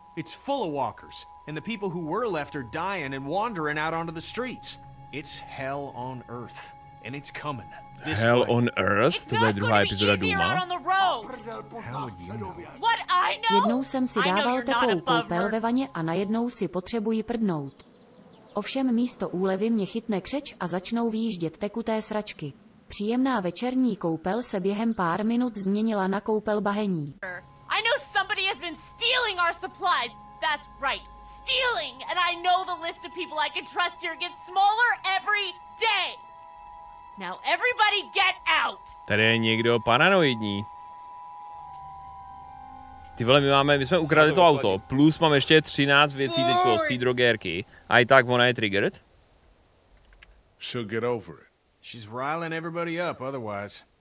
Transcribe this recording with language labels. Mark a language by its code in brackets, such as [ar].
[en] It's full of walkers, and the people who were left are dying and wandering out onto the streets. It's hell on earth, and it's coming. This hell way. On earth? It's not going to be easier out on the road. Hell, you know. What I know? [cs] Jednou jsem si dával teplou koupel ve vaně a najednou si potřebuji prdnout. Ovšem místo úlevy mě chytne křeč a začnou výjíždět tekuté sračky. Příjemná večerní koupel se během pár minut změnila na koupel bahení. [en] I know somebody has been stealing our supplies. That's right, stealing. And I know the list of people I can trust here gets smaller every day. Now everybody get out. [cs] Tady je někdo paranoidní. Ty vole, my jsme ukradli to auto. Plus mám ještě 13 věcí teď z té drogérky. A i tak ona je triggered. [en] She'll get over it. She's riling everybody up otherwise.